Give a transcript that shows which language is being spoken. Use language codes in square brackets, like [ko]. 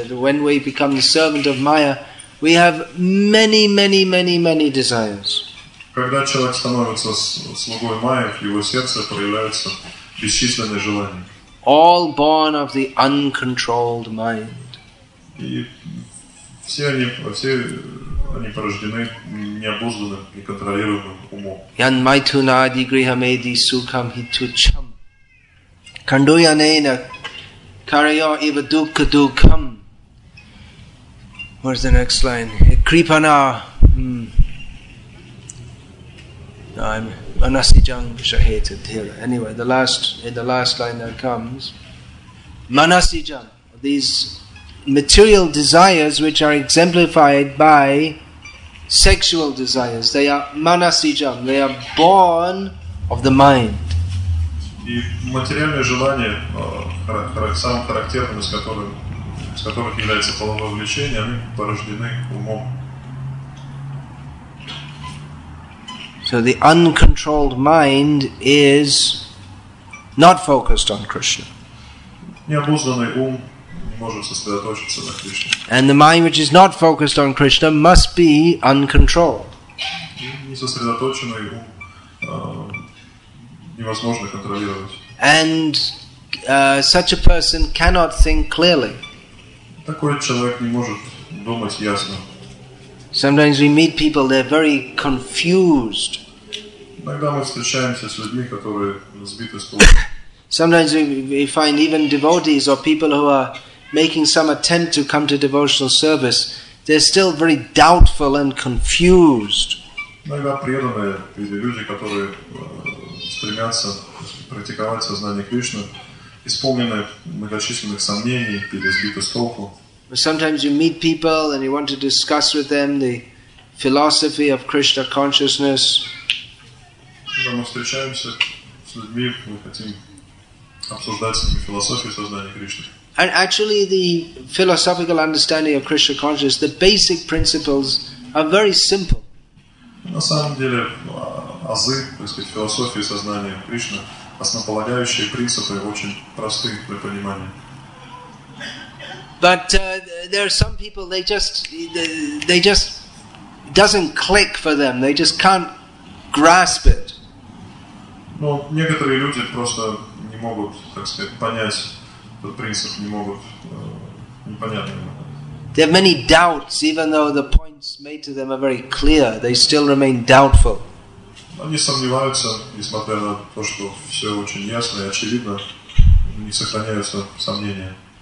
[en] When we become the servant of Maya, we have many, many, many, many desires. [ru] Когда человек становится слугой Майя, в его сердце проявляется бесчисленные желания. [en] All born of the uncontrolled mind. [ru] И все они порождены необузданным, неконтролируемым умом. [sa] Ян майтунади грихамеди сукам хитучам. Кандуянена карайо ива дукка дукам. [en] Where's the next line? Крипана. I'm Manasijang Shahetad Hira. Anyway, in the last line that comes, Manasijang, these material desires which are exemplified by sexual desires, they are Manasijang, they are born of the mind. [ru] И материальные желания, самым характерным из которых является половое влечение, они порождены умом. [en] So the uncontrolled mind is not focused on Krishna. [ru] Необузданный ум не может сосредоточиться на Кришне. [en] And the mind which is not focused on Krishna must be uncontrolled. [ru] Не сосредоточенный ум невозможно контролировать. [en] And such a person cannot think clearly. [ru] Такой человек не может думать ясно. [en] Sometimes we meet people, they're very confused. [ru] Иногда мы встречаемся с людьми, которые сбиты с толку. [en] Sometimes we find even devotees or people who are making some attempt to come to devotional service, they're still very doubtful and confused. [ru] Иногда преданные или люди, которые стремятся практиковать сознание Кришны, исполнены многочисленных сомнений или сбиты с толку. [en] Sometimes you meet people and you want to discuss with them the philosophy of Krishna consciousness. [ru] Когда мы встречаемся с людьми, мы хотим обсуждать с ними философию сознания Кришны. [en] And actually the philosophical understanding of Krishna consciousness, the basic principles are very simple. [ru] На самом деле, азы, то есть философии сознания Кришны, основополагающие принципы очень просты для понимания. [en] But there are some people, they just doesn't click for them. They just can't grasp it. [ru] Но некоторые люди просто не могут, так сказать, понять этот принцип, не могут непонятно. [en] There are many doubts, even though the points made to them are very clear. They still remain doubtful. [ru] Они сомневаются, несмотря на то, что все очень ясно и очевидно, не сохраняются сомнения.